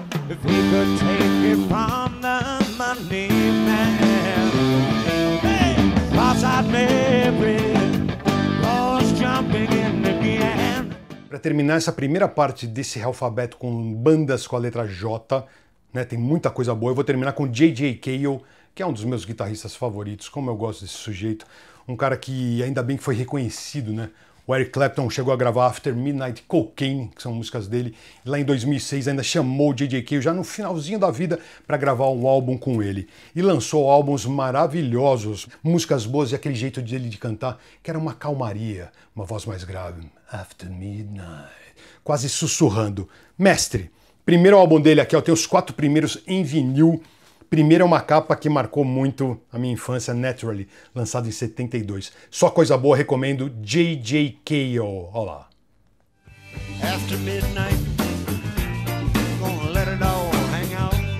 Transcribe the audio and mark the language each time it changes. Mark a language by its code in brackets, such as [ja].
[en] If he could take it from the money man, hey! Cross-eyed Mary, Lord's jumping in the can. [pt] Pra terminar essa primeira parte desse alfabeto com bandas com a letra J, né, tem muita coisa boa, eu vou terminar com J.J. Cale, que é um dos meus guitarristas favoritos, como eu gosto desse sujeito. Um cara que ainda bem que foi reconhecido, né? O Eric Clapton chegou a gravar After Midnight Cocaine, que são músicas dele. Lá em 2006 ainda chamou o J.J. Cale, já no finalzinho da vida, para gravar um álbum com ele. E lançou álbuns maravilhosos, músicas boas e aquele jeito dele de cantar, que era uma calmaria, uma voz mais grave. After Midnight. Quase sussurrando. Mestre, primeiro álbum dele aqui, ó, tem os quatro primeiros em vinil. Primeiro é uma capa que marcou muito a minha infância, Naturally, lançado em 72. Só coisa boa, recomendo, J.J. Cale. Olha lá. [en] After midnight, gonna let it all hang out.